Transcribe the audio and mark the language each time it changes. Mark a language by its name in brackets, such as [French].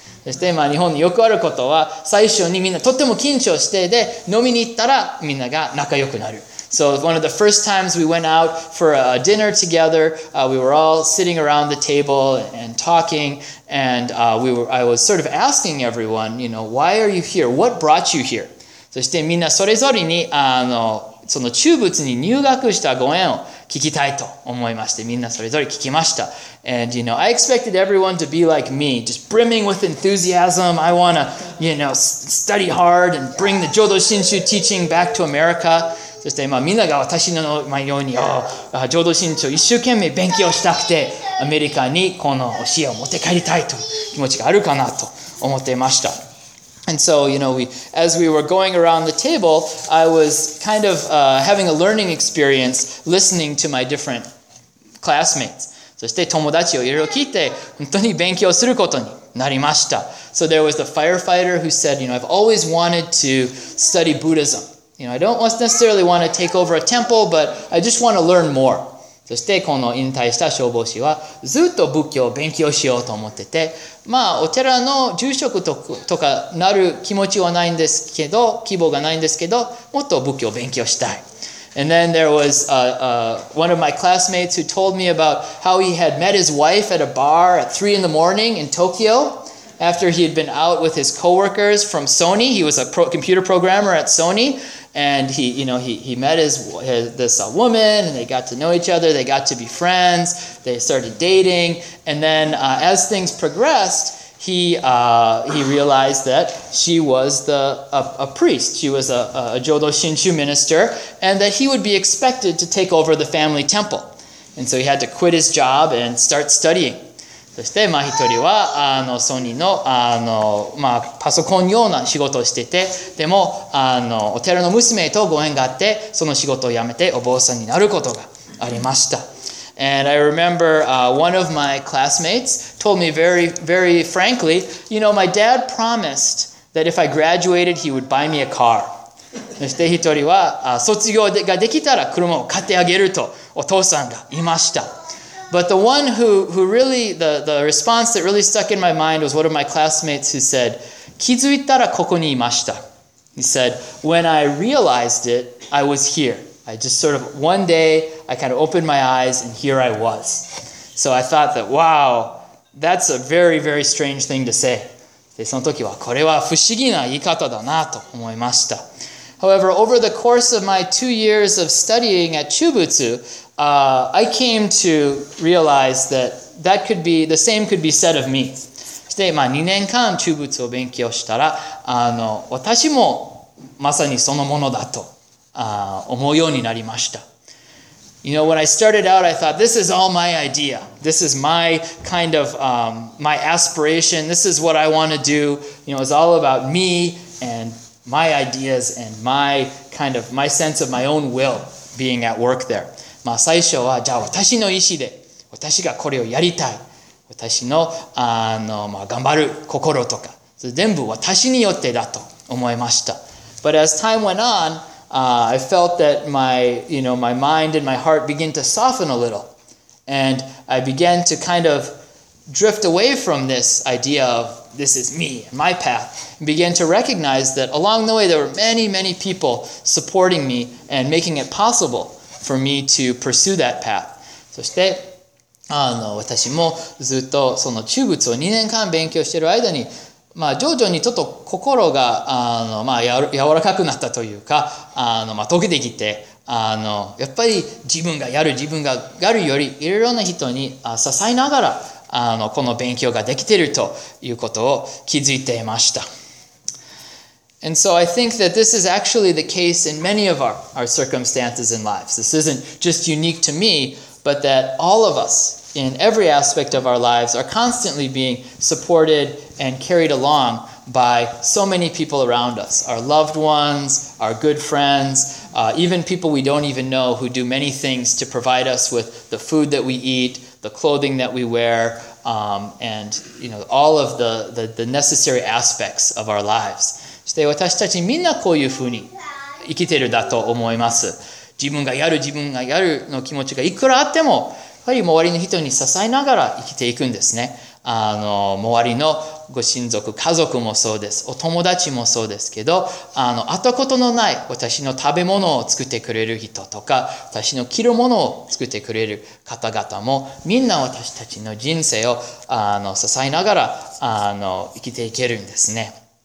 [Japanese] そして、日本によくあることは、最初にみんなとっても緊張して、で、飲みに行ったらみんなが仲良くなる。 [English] So one of the first times we went out for a dinner together, we were all sitting around the table and talking, and I was sort of asking everyone, why are you here? What brought you here? [Japanese] そしてみんなそれぞれに、その中仏に入学したご縁を聞きたいと思いまして、みんなそれぞれ聞きました。 [English] And, I expected everyone to be like me, just brimming with enthusiasm. I want to, study hard and bring the Jodo Shinshu teaching back to America. [Japanese] そして、みんなが私のように、浄土真宗一生懸命勉強したくて、アメリカにこの教えを持って帰りたいという気持ちがあるかなと思っていました。 [English] And so, as we were going around the table, I was kind of having a learning experience listening to my different classmates. [Japanese] そして友達をいろいろ聞いて、本当に勉強することになりました。 [English] So there was the firefighter who said, I've always wanted to study Buddhism. I don't necessarily want to take over a temple, but I just want to learn more. [Japanese] そしてこの引退した消防士はずっと仏教を勉強しようと思ってて、まあお寺の住職とかなる気持ちはないんですけど、希望がないんですけど、もっと仏教を勉強したい。 [English] And then there was one of my classmates who told me about how he had met his wife at a bar at 3 in the morning in Tokyo. After he had been out with his coworkers from Sony, he was a computer programmer at Sony, and he met this woman, and they got to know each other, they got to be friends, they started dating, and then as things progressed, he realized that she was a priest, she was a Jodo Shinshu minister, and that he would be expected to take over the family temple. And so he had to quit his job and start studying. [Japanese] そして、まあ、一人は、ソニーの、まあ、パソコン用の仕事をしてて、でも、お寺の娘とご縁があって、その仕事を辞めてお坊さんになることがありました。 [English] And I remember, one of my classmates told me very, very frankly, you know, my dad promised that if I graduated, he would buy me a car. [Japanese] そして一人は、卒業ができたら車を買ってあげるとお父さんが言いました。 [English] But the one who really, the response that really stuck in my mind was one of my classmates who said, [Japanese] 気づいたらここにいました。 [English] He said, when I realized it, I was here. I just sort of, one day, I kind of opened my eyes and here I was. So I thought that, wow, that's a very, very strange thing to say. [Japanese] で、その時はこれは不思議な言い方だなと思いました。 [English] However, over the course of my 2 years of studying at Chubutsu, I came to realize that could be, the same could be said of me. [Japanese] そして、まあ、2年間中仏を勉強したら、私もまさにそのものだと、思うようになりました。 [English] You know, when I started out, I thought, this is all my idea. This is my kind of, my aspiration. This is what I want to do. You know, it's all about me and my ideas and my kind of, my sense of my own will being at work there. [Japanese] まあ最初はじゃあ私の意思で私がこれをやりたい私のまあ頑張る心とかそれ全部私によってだと思いました。 [English] But as time went on, I felt that my mind and my heart begin to soften a little, and I began to kind of drift away from this idea of this is me and my path, and began to recognize that along the way there were many many people supporting me and making it possible. For me to pursue that path. [Japanese] そして私もずっとその中仏を2年間勉強している間に、まあ、徐々にちょっと心が柔らかくなったというか溶けてきてやっぱり自分がやるよりいろいろな人に支えながらこの勉強ができているということを気づいていました。 [English] And so I think that this is actually the case in many of our circumstances in lives. This isn't just unique to me, but that all of us, in every aspect of our lives, are constantly being supported and carried along by so many people around us. Our loved ones, our good friends, even people we don't even know who do many things to provide us with the food that we eat, the clothing that we wear, and all of the necessary aspects of our lives. [Japanese] して私たちみんなこういうふうに生きているだと思います。自分がやるの気持ちがいくらあっても、やはり周りの人に支えながら生きていくんですね。周りのご親族、家族もそうです。お友達もそうですけど、あとことのない私の食べ物を作ってくれる人とか、私の着るものを作ってくれる方々も、みんな私たちの人生を支えながら生きていけるんですね。